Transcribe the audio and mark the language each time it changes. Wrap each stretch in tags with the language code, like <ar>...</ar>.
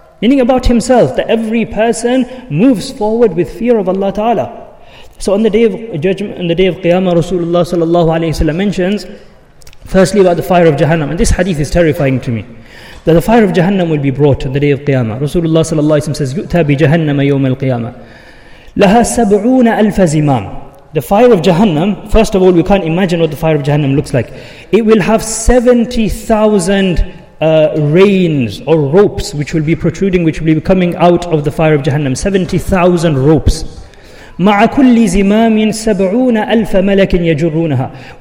<en>Meaning about himself, that every person moves forward with fear of Allah Ta'ala. So on the day of judgment, on the day of Qiyamah, Rasulullah sallallahu alayhi wa sallam mentions, firstly about the fire of Jahannam, and this hadith is terrifying to me, that the fire of Jahannam will be brought on the day of Qiyamah.</en> <ar>Rasulullah sallallahu alayhi wa sallam says, يُؤْتَى بِجَهَنَّمَ يَوْمَ الْقِيَامَةِ لَهَا سَبْعُونَ أَلْفَ زِمَامٍ.</ar> <en>The fire of Jahannam, first of all, we can't imagine what the fire of Jahannam looks like. It will have 70,000 reins or ropes which will be protruding, which will be coming out of the fire of Jahannam. 70,000 ropes.</en> <ar>مَعَ كُلِّ زِمَامٍ سَبْعُونَ أَلْفَ مَلَكٍ يَجُرُّونَهَا.</ar>